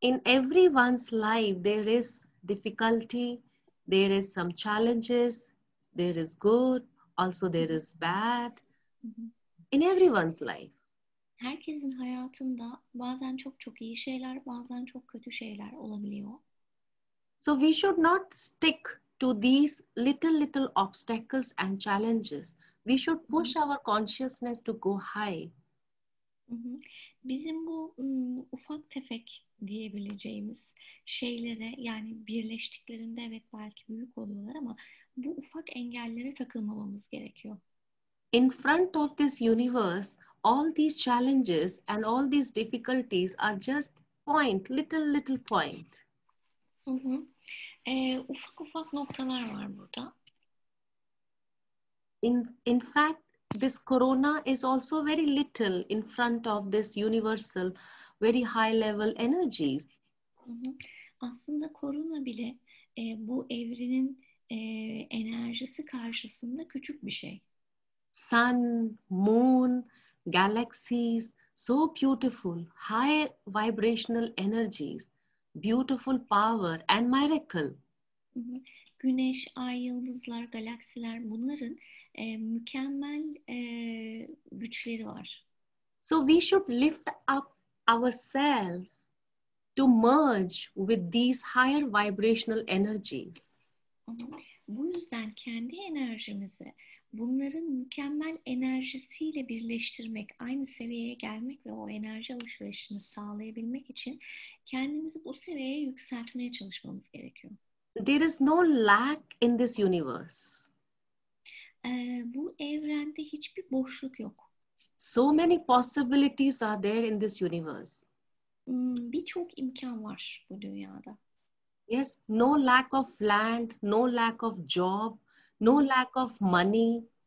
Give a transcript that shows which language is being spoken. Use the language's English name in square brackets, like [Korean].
[English] In everyone's life, there is difficulty, there is some challenges, there is good, also there is bad. In everyone's life. [Turkish] Herkesin hayatında bazen çok çok iyi şeyler, bazen çok kötü şeyler olabiliyor. [English] So we should not stick to these little obstacles and challenges. We should push our consciousness to go high. [Turkish] Bizim bu ufak tefek diyebileceğimiz şeylere, yani birleştiklerinde evet belki büyük oluyorlar ama bu ufak engellere takılmamamız gerekiyor. [English] In front of this universe, all these challenges and all these difficulties are just little point. [Turkish] Ufak ufak noktalar var burada. [English] In fact, this corona is also very little in front of this universal, very high level energies. [Turkish] Aslında korona bile bu evrenin enerjisi karşısında küçük bir şey. [English] Sun, moon, galaxies, so beautiful, high vibrational energies, beautiful power and miracle. [Turkish] Güneş, ay, yıldızlar, galaksiler, bunların mükemmel güçleri var. [English] So we should lift up ourselves to merge with these higher vibrational energies. [Turkish] Bu yüzden kendi enerjimizi bunların mükemmel enerjisiyle birleştirmek, aynı seviyeye gelmek ve o enerji alışverişini sağlayabilmek için kendimizi bu seviyeye yükseltmeye çalışmamız gerekiyor. [English] There is no lack in this universe. [Turkish] Bu evrende hiçbir boşluk yok. [English] So many possibilities are there in this universe. [Turkish] Birçok imkan var bu dünyada. [English] Yes, no lack of land, no lack of job, no lack of money.